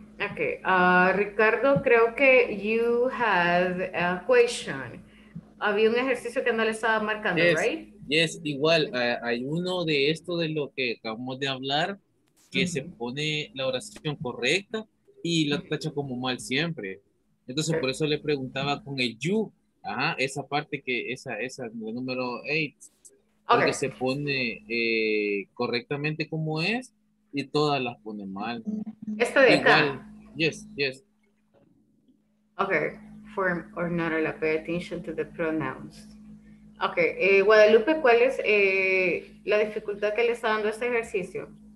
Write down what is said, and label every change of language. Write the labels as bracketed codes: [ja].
[en] Okay, Ricardo, creo que you had a question. [es] Había un ejercicio que no le estaba marcando, [en] yes. Right? [es] Yes, igual, hay uno de esto de lo que acabamos de hablar, que mm-hmm. se pone la oración correcta y la tacha como mal siempre. Entonces, por eso le preguntaba con el you, ajá, esa parte que, esa, el número 8, okay. Porque se pone correctamente como es y todas las pone mal. Esto de igual. Acá. [en] Yes, yes. Okay, form or not, or pay attention to the pronouns. [es] Okay, Guadalupe, ¿cuál es la dificultad que le está dando este ejercicio?